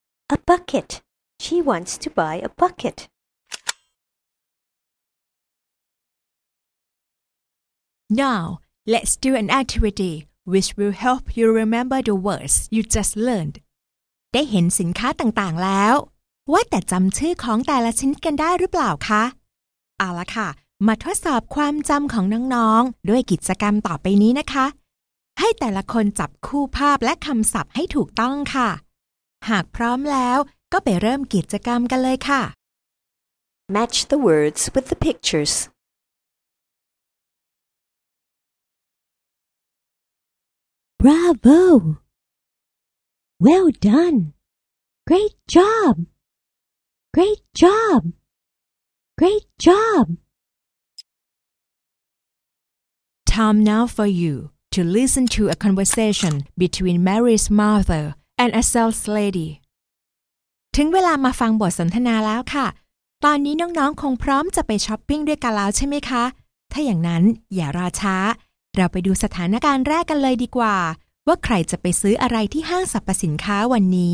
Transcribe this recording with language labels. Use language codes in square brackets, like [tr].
[en] A bucket. She wants to buy a bucket. Now, let's do an activity which will help you remember the words you just learned. [th] ได้เห็นสินค้าต่างๆแล้วว่าแต่จำชื่อของแต่ละชิ้นกันได้หรือเปล่าคะเอาละค่ะมาทดสอบความจำของน้องๆด้วยกิจกรรมต่อไปนี้นะคะให้แต่ละคนจับคู่ภาพและคำศัพท์ให้ถูกต้องค่ะหากพร้อมแล้วก็ไปเริ่มกิจกรรมกันเลยค่ะ [en] Match the words with the pictures. Bravo! Well done! Great job! Great job! Great job! Time now for you to listen to a conversation between Mary's motherAnd a sales lady. [th] ถึงเวลามาฟังบทสนทนาแล้วค่ะตอนนี้น้องๆคงพร้อมจะไปช้อปปิ้งด้วยกันแล้วใช่ไหมคะถ้าอย่างนั้นอย่ารอช้าเราไปดูสถานการณ์แรกกันเลยดีกว่าว่าใครจะไปซื้ออะไรที่ห้างสรรพสินค้าวันนี